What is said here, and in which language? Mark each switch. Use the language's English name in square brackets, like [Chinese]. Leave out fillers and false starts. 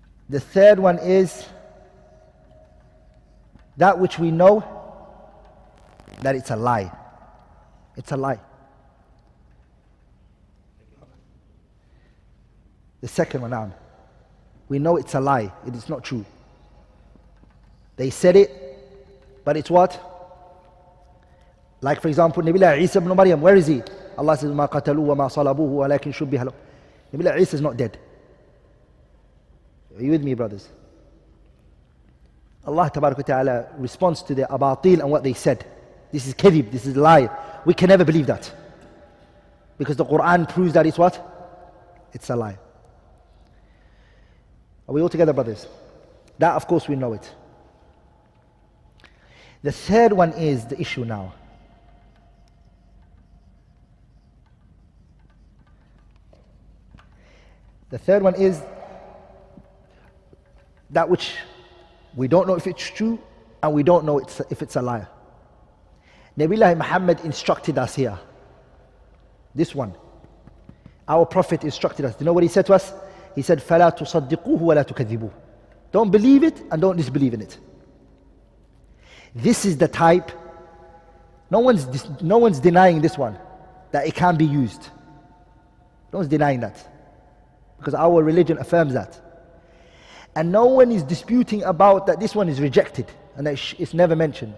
[English] The third one is, that which we know that it's a lie. It's a lie. The second one, Naam. We know it's a lie. It is not true. They said it, but it's what? Like, for example, Nabila Isa ibn Maryam, where is he? Allah says, [Arabic] مَا قَتَلُوا وَمَا صَلَبُوهُ وَلَكِنْ شُبِّهَ لَهُ. [English] Nabila Isa is not dead. Are you with me, brothers? Allah tabarak wa ta'ala responds to the abatil and what they said. This is kadhib, this is a lie. We can never believe that. Because the Quran proves that it's what? It's a lie. Are we all together, brothers? That, of course, we know it. The third one is the issue now. The third one is that which we don't know if it's true and we don't know if it's a liar. Nabiullah Muhammad instructed us here. This one. Our Prophet instructed us. Do you know what he said to us? He said, [Arabic] فَلَا تُصَدِّقُوهُ وَلَا تُكَذِّبُوهُ. [English] Don't believe it and don't disbelieve in it. This is the type, no one's denying this one, that it can be used. No one's denying that. Because our religion affirms that. And no one is disputing about that this one is rejected and that it's never mentioned.